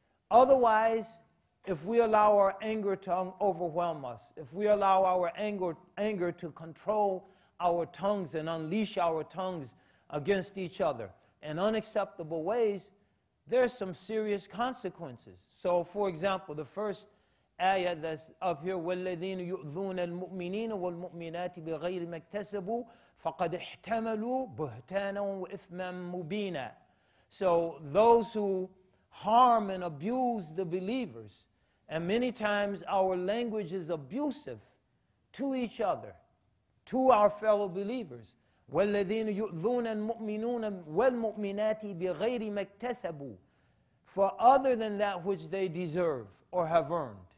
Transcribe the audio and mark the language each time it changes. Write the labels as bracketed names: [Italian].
[English] Otherwise, if we allow our anger to overwhelm us, if we allow our anger to control our tongues and unleash our tongues against each other in unacceptable ways, there's some serious consequences. So for example, the first ayah that's up here, [Arabic] وَالَّذِينَ يُؤْذُونَ الْمُؤْمِنِينَ وَالْمُؤْمِنَاتِ بِغَيْرِ مَا اكْتَسَبُوا فَقَدْ احْتَمَلُوا بُهْتَانًا وَإِثْمًا مُبِينًا. [English] So those who harm and abuse the believers, and many times our language is abusive to each other, to our fellow believers. [Arabic] وَالَّذِينَ يُؤْذُونَ الْمُؤْمِنُونَ وَالْمُؤْمِنَاتِ بِغَيْرِ مَا اكْتَسَبُوا, [English] for other than that which they deserve or have earned.